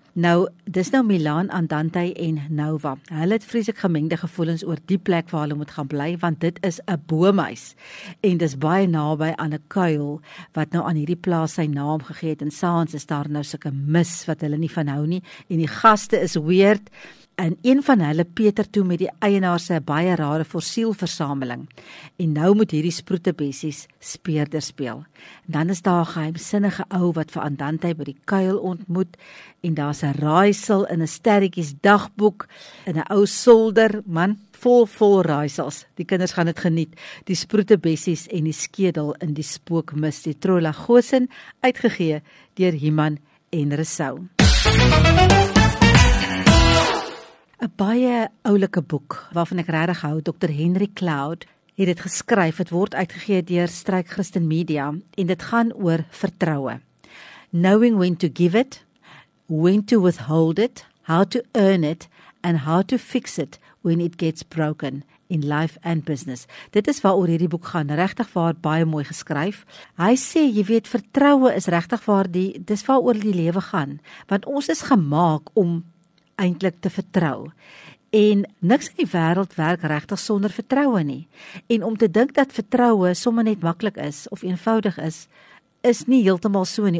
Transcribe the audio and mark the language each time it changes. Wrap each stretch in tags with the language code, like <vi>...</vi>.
<af>Nou, dis nou Milaan, Andante en Nova. Hulle het vreeslik gemengde gevoelens oor die plek waar hulle moet gaan bly, want dit is 'n boomhuis. En dis baie naby aan 'n kuil wat nou aan hierdie plaas sy naam gegee het. En saans is daar nou sulke mis wat hulle nie van hou nie. En die gaste is weird. En een van hulle peter toe met die eienaar se baie rare fossielversameling. En nou moet hierdie Sproete Bessies speerder speel. En dan is daar 'n geheimsinnige ou wat vir Andante by die kuil ontmoet en daar's 'n raaisel in 'n sterretjies dagboek in 'n ou solder, man, vol raaisels. Die kinders gaan dit geniet. Die Sproete Bessies en die Skedel in die Spookmis, die Troula Gosen, uitgegee deur Himan en Resou. Een baie oulike boek, waarvan ek regtig hou, Dr. Henry Cloud, het dit geskryf, het word uitgegee deur Struik Christen Media, en dit gaan oor vertroue.</af> <en>Knowing when to give it, when to withhold it, how to earn it, and how to fix it when it gets broken in life and business.</en> <af>Dit is waaroor hierdie boek gaan, regtig waar, baie mooi geskryf. Hy sê, jy weet, vertroue is regtig waar, dis waaroor die lewe gaan, want ons is gemaak om eintlik te vertrou. En niks in die wêreld werk regtig sonder vertroue nie. En om te dink dat vertroue sommer net maklik is of eenvoudig is, is nie heeltemal so nie.</af>